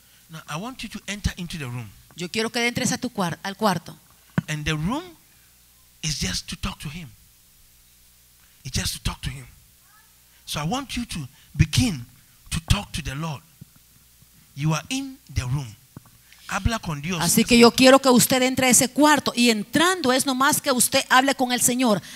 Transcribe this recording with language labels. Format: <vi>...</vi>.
<en>Now I want you to enter into the room.</en> <es>Yo quiero que entres a tu al cuarto.</es> <en>And the room is just to talk to him. It's just to talk to him. So I want you to begin to talk to the Lord. You are in the room.</en> <es>Habla con Dios. Así que yo quiero que usted entre a ese cuarto y entrando es nomás que usted hable con el Señor.</es>